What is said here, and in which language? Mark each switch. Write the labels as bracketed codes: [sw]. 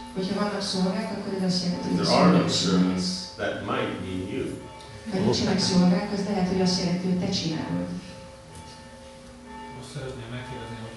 [hu] Hogyha vannak szolgák, akkor ez azt jelenti, hogy [en] there are no servants, that might be you. [hu] Ha nincsenek szolgák, az lehet, hogy azt jelenti, hogy te csinálod. Most szeretném megkérdezni,